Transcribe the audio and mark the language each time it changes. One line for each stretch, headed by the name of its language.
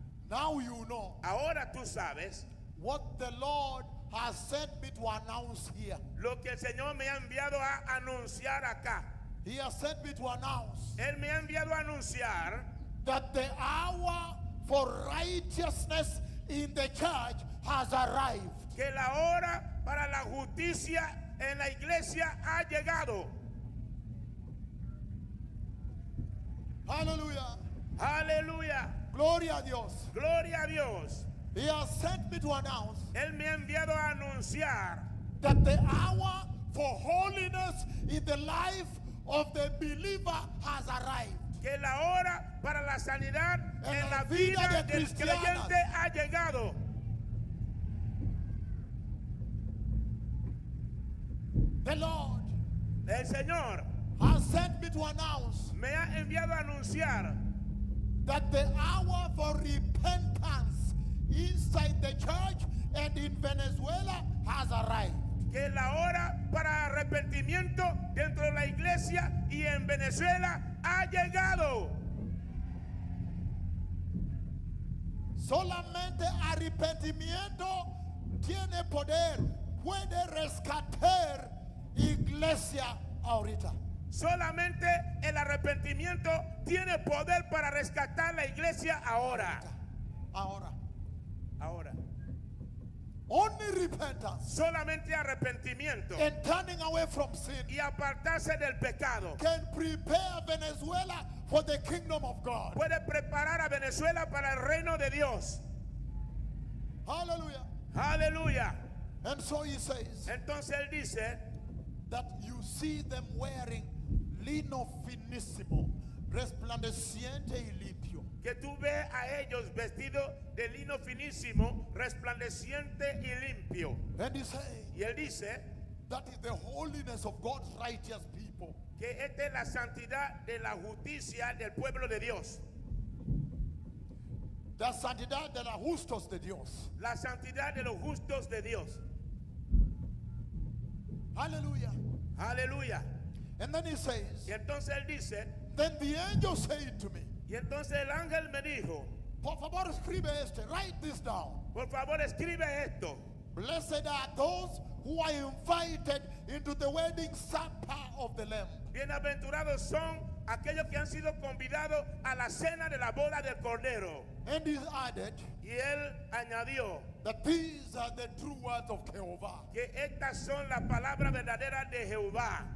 English: Now you know.
Spanish: Ahora tú sabes.
English: What the Lord has sent me to announce here.
Spanish: Lo que el Señor me ha enviado a anunciar acá.
English: He has sent me to announce.
Spanish: Él me ha enviado a anunciar.
English: That the hour for righteousness in the church has arrived.
Spanish: Que la hora para la justicia en la iglesia ha llegado.
English: Hallelujah.
Spanish: Hallelujah. Gloria a Dios. Gloria a Dios.
English: He has sent me to announce.
Spanish: Él me ha enviado a anunciar.
English: That the hour for holiness in the life of the believer has arrived.
Spanish: Que la hora para la sanidad en la vida del creyente ha llegado.
English: The Lord,
Spanish: el Señor,
English: has sent me to announce.
Spanish: Me ha enviado a anunciar.
English: That the hour for repentance inside the church and in Venezuela has arrived.
Spanish: Que la hora para arrepentimiento dentro de la iglesia y en Venezuela ha llegado. Solamente arrepentimiento tiene poder, puede rescatar iglesia ahorita. Solamente el arrepentimiento tiene poder para rescatar la iglesia ahora. Ahora. Ahora.
English: Only repentance.
Spanish: Solamente arrepentimiento.
English: And turning away from sin.
Spanish: Y apartarse del pecado.
English: Can prepare Venezuela for the kingdom of God.
Spanish: Puede preparar a Venezuela para el reino de Dios.
English: Hallelujah.
Spanish: Hallelujah.
English: And so he says.
Spanish: Entonces él dice.
English: That you see them wearing
Spanish: lino finísimo, resplandeciente y limpio. Que tú ve a ellos vestido de lino finísimo, resplandeciente y limpio.
English: And he say,
Spanish: y él dice,
English: that is the holiness of God's righteous people.
Spanish: Que esta es la santidad de la justicia del pueblo de Dios. La santidad de los justos de Dios. La santidad de los justos de Dios.
English: Hallelujah.
Spanish: Hallelujah.
English: And then he says.
Spanish: Y entonces él dice.
English: Then the angel said to me.
Spanish: Y entonces el ángel me dijo. Por favor escribe esto.
English: Write this down.
Spanish: Por favor escribe esto.
English: Blessed are those who are invited into the wedding supper of the Lamb.
Spanish: Bienaventurados son aquellos que han sido convidados a la cena de la boda del Cordero.
English: And he added,
Spanish: y él añadió,
English: that these are the true words of Jehovah.
Spanish: Que estas son las palabras verdaderas de Jehová.